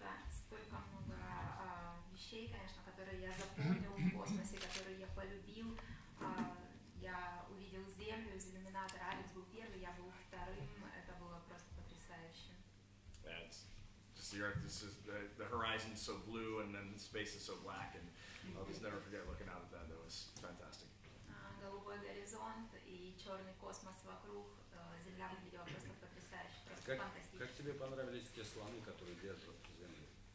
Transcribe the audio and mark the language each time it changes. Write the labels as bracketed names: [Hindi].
[Russian] Столько много вещей, конечно, которые я запомнил в космосе, которые я полюбил. Я увидел Землю из иллюминатора, Алекс был первым, я был вторым, это было просто потрясающе. [English] That's just the Earth, this is the horizon is so blue, and then the space is so black, and I'll just never forget looking out at that, that was fantastic. [Russian] Голубой горизонт и черный космос вокруг. Земля выглядела просто потрясающе, просто фантастически. Как тебе понравились те слоны, которые держат Землю?